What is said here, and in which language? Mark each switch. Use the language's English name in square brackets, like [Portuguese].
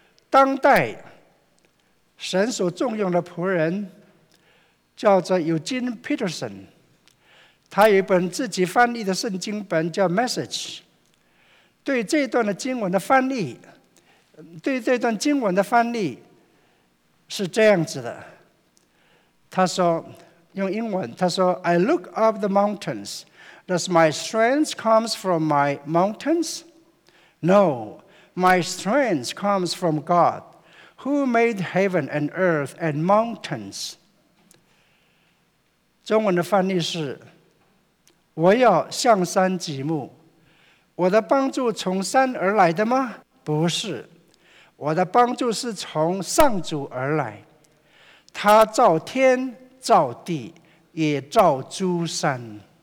[Chinese] 当代神所重用的仆人叫做 Eugene Peterson，他有一本自己翻译的圣经本叫 Message， 对这段的经文的翻译，对这段经文的翻译是这样子的。他说，用英文，他说 [English] I look up the mountains. Does my strength comes from my mountains? No, my strength comes from God, who made heaven and earth and mountains. [Chinese] 中文的翻译是，我要向山举目，我的帮助从山而来的吗？不是，我的帮助是从上主而来，他造天造地也造诸山。